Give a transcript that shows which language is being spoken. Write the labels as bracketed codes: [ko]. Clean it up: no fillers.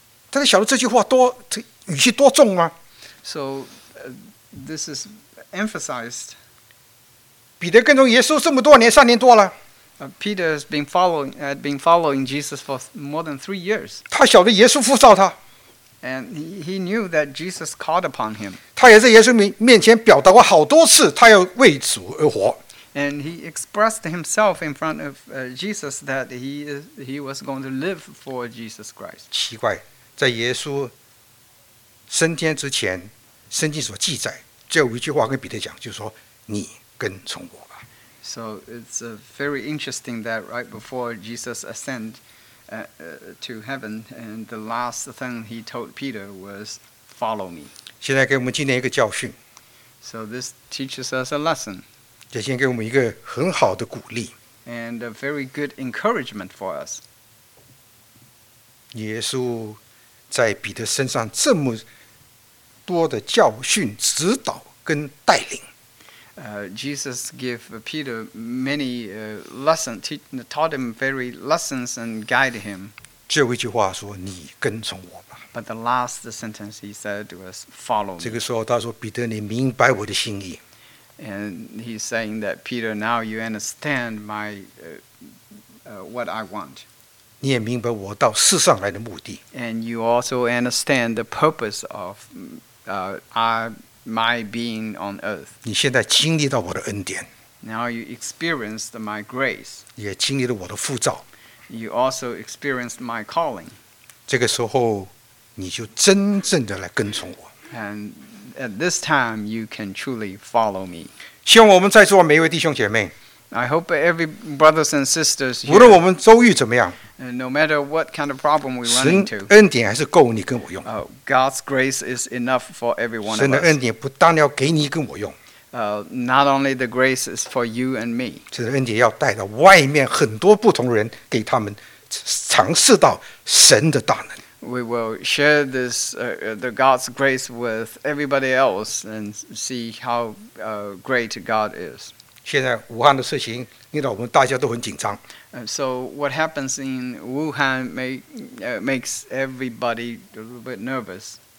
[zh] 大家晓得这句话多，这语气多重吗 [en] ？So this is emphasized。 [zh] 彼得跟从耶稣这么多年，三年多了。 [en] Peter has been following Jesus for more than 3 years。 [zh] 他晓得耶稣呼召他。 [en] And he knew that Jesus called upon him。 [zh] 他也在耶稣面前表达过好多次，他要为主而活。 [en] And he expressed himself in front of Jesus that he was going to live for Jesus Christ. [zh] 奇怪，在耶稣升天之前，圣经所记载最后一句话跟彼得讲，就是说：“你跟从我吧。” [en] So it's very interesting that right before Jesus ascended to heaven, and the last thing he told Peter was, "Follow me." [zh] 现在给我们今天一个教训。 [en] So this teaches us a lesson. [zh] 也先给我们一个很好的鼓励。 [en] And a very good encouragement for us. [zh] 耶稣在彼得身上这么多的教训、指导跟带领。 [en] Jesus gave Peter many lessons, taught him very lessons and guided him. [zh] 这位句话说, 你跟从我吧。 [en] But the last sentence he said was, follow me. [zh] 这个时候他说, 彼得, 你明白我的心意。 [en] And he's saying that, Peter, now you understand my what I want. [zh] 你也明白我到世上来的目的。 [en] And you also understand the purpose of my being on earth. [zh] 你现在经历到我的恩典。 [en] Now you experienced my grace. [zh] 也经历了我的呼召。 [en] You also experienced my calling. [zh] 这个时候你就真正的来跟从我。 [en] And at this time you can truly follow me. [zh] 希望我们在座每一位弟兄姐妹, [en] I hope every brothers and sisters here, [zh] 无论我们遭遇怎么样, [en] no matter what kind of problem we run into, [zh] 神恩典还是够你跟我用。 [en] God's grace is enough for every one of us. [zh] 神的恩典不但要给你跟我用, [en] not only the grace is for you and me, [zh] 这恩典要带到外面很多不同人给他们尝试到神的大能。 [en] We will share this, the God's grace with everybody else and see how great God is. [zh] 现在武汉的事情令到我们大家都很紧张。 [en] So what happens in Wuhan makes everybody a little bit nervous.